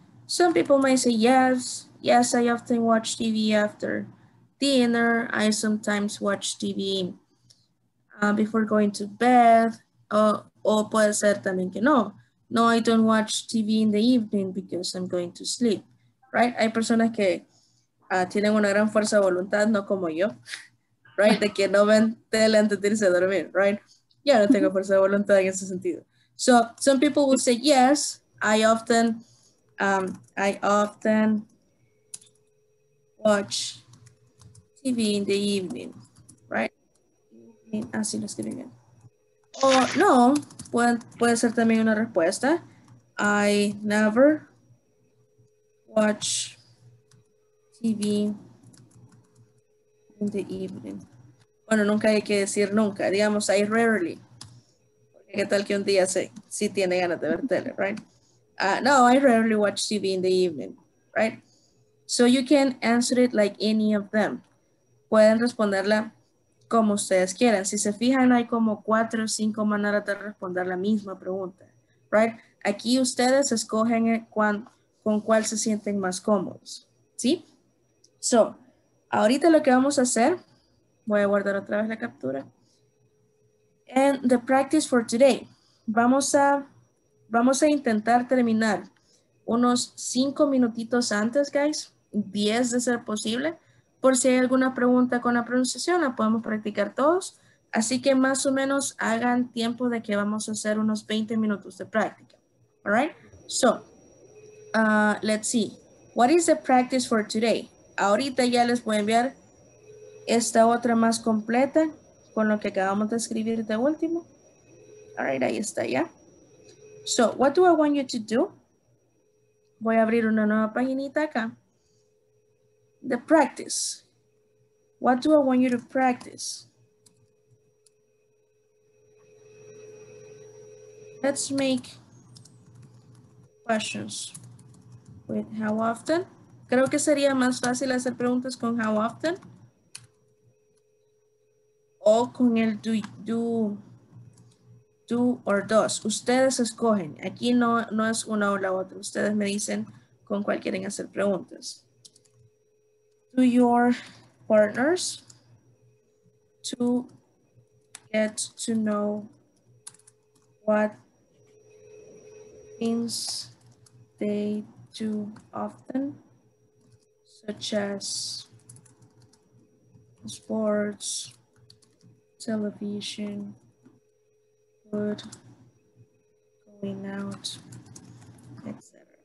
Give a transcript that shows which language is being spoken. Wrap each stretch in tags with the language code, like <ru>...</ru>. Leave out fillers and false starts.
<en>Some people might say yes. Yes, I often watch TV after dinner. I sometimes watch TV before going to bed.</en> <es>O puede ser también que no.</es> <en>No, I don't watch TV in the evening because I'm going to sleep, right?</en> <es>Hay personas que tienen una gran fuerza de voluntad, no como yo, right? De que no ven tele antes de irse a dormir, right? Yo no tengo fuerza de voluntad en ese sentido.</es> <en>So some people will say, yes, I often watch TV in the evening, right?</en> <es>Así lo escriben bien. O no, puede ser también una respuesta.</es> <en>I never watch TV in the evening.</en> <es>Bueno, nunca hay que decir nunca. Digamos,</es> <en>I rarely.</en> <es>Porque qué tal que un día sí tiene ganas de ver tele, right?</es> <en>No, I rarely watch TV in the evening, right? So you can answer it like any of them.</en> <es>Pueden responderla como ustedes quieran. Si se fijan, hay como 4 o 5 maneras de responder la misma pregunta, right? Aquí ustedes escogen con cuál se sienten más cómodos, ¿sí? So, ahorita lo que vamos a hacer, voy a guardar otra vez la captura.</es> <en>And the practice for today.</en> <es>Vamos a intentar terminar unos 5 minutitos antes, guys. 10 de ser posible. Por si hay alguna pregunta con la pronunciación, la podemos practicar todos. Así que más o menos hagan tiempo de que vamos a hacer unos 20 minutos de práctica.</es> <en>All right? So, let's see. What is the practice for today?</en> <es>Ahorita ya les voy a enviar esta otra más completa con lo que acabamos de escribir de último.</es> <en>All right,</en> <es>ahí está ya.</es> <en>So, what do I want you to do?</en> <es>Voy a abrir una nueva paginita acá.</es> <en>The practice. What do I want you to practice? Let's make questions with how often.</en> <es>Creo que sería más fácil hacer preguntas con how often. O con el do or does. Ustedes escogen. Aquí no es una o la otra. Ustedes me dicen con cuál quieren hacer preguntas.</es> <en>Do your partners to get to know what things they do often, such as sports, television, food, going out, etc.</en>